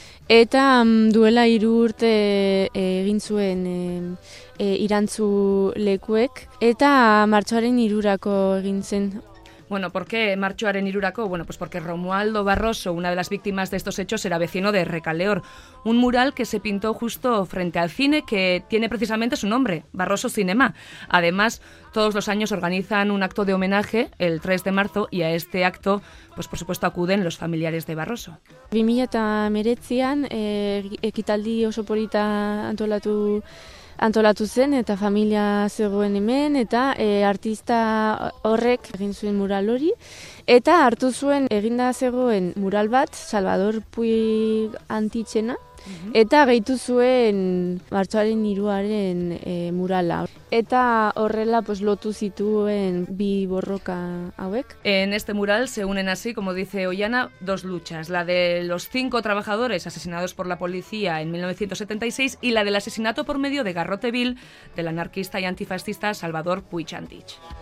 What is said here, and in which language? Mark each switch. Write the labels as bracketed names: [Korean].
[Basque] Eta duela hiru urte egin zuen irantzu lekuek eta martxoaren hirurako egin zen. [Spanish] Bueno, ¿por qué [Basque] martxoaren hirurako? [Spanish] Bueno, pues porque Romualdo Barroso, una de las víctimas de estos hechos, era vecino de Recaleor. Un mural que se pintó justo frente al cine que tiene precisamente su nombre, Barroso Cinema. Además, todos los años organizan un acto de homenaje el 3 de marzo y a este acto, pues por supuesto, acuden los familiares de Barroso. [Basque] 2019an ekitaldi oso polita antolatu zen eta familia zegoen hemen eta artista horrek egin zuen mural hori eta hartu zuen eginda zegoen mural bat Salvador Puig Antitxena eta gehitu zuen martxoaren hiruaren murala. Eta horrela pues lotu zituen bi borroka hauek. [Spanish] En este mural se unen así, como dice Ollana, dos luchas, la de los cinco trabajadores asesinados por la policía en 1976 y la del asesinato por medio de garrote vil del anarquista y antifascista Salvador Puig Antich.